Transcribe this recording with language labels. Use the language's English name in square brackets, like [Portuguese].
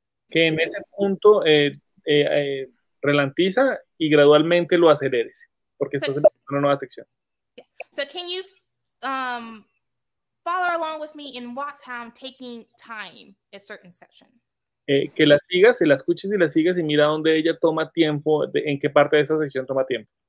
[Spanish] Que en ese punto ralentiza y gradualmente lo aceleres, porque estás empezando una nueva sección. [English] Yeah. So can you follow along with me in what's how I'm taking time a certain section? [Spanish] Que la sigas, se la escuches y la sigas y mira dónde ella toma tiempo, en qué parte de esa sección toma tiempo.